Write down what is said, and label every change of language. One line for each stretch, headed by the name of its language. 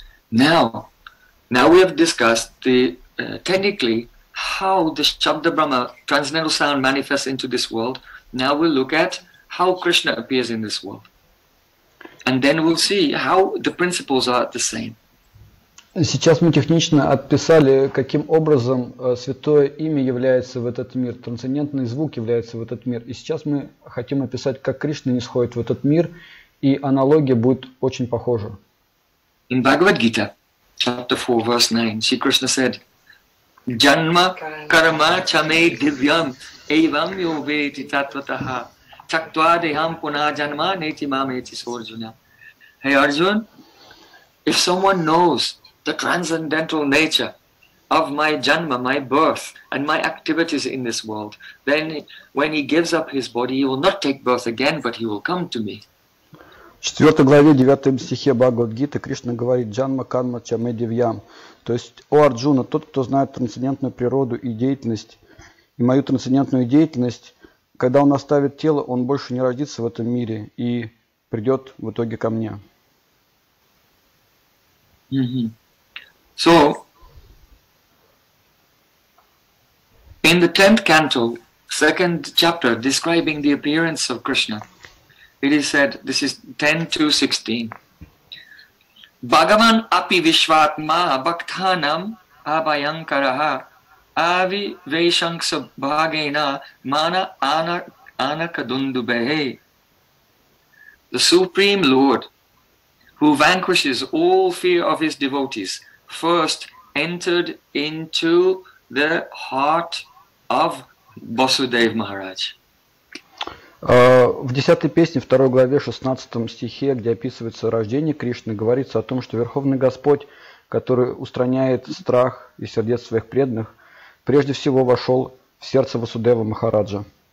English: Now we have discussed the technically how the Shabda Brahma transcendental sound manifests into this world. Now we'll look at how Krishna appears in this world, and then we'll see how the principles are the same.
Russian: Сейчас мы технично описали, каким образом святое имя является в этот мир, трансцендентный звук является в этот мир, и сейчас мы хотим описать, как Кришна нисходит в этот мир, и аналогия будет очень похожа.
English: In Bhagavad Gita, chapter 4, verse 9, Sri Krishna said,
Sanskrit: Janma karma chame divyam evam yoveti tatvataha taktva deham puna janma neti mameti sorjuna.
English: Hey Arjun, If someone knows the transcendental nature of my janma, my birth, and my activities in this world, then when he gives up his body, he will not take birth again, but he will come to me.
Russian: В 4 главе 9 стихе Бхагавад-гиты Кришна говорит:
Sanskrit: «Джанма канма ча ме дивьям».
Russian: То есть, о Арджуна, тот, кто знает трансцендентную природу и деятельность, и мою трансцендентную деятельность, когда он оставит тело, он больше не родится в этом мире и придет в итоге ко мне. Mm-hmm.
English: So, in the 10th canto, 2nd chapter, describing the appearance of Krishna, it is said, this is 10-16.
Sanskrit: Bhagavan api vishvatma bhaktanam abhayankaraha avi veshanksa bhagena mana anakadundubehe.
English: The Supreme Lord, who vanquishes all fear of his devotees, first entered into the heart of Vasudeva Maharaj.
Russian: В 10 песне, 2 главе, 16 стихе, где описывается рождение Кришны, говорится о том, что Верховный Господь, который устраняет страх и сердец своих преданных, прежде всего вошел в сердце Васудева Махараджа.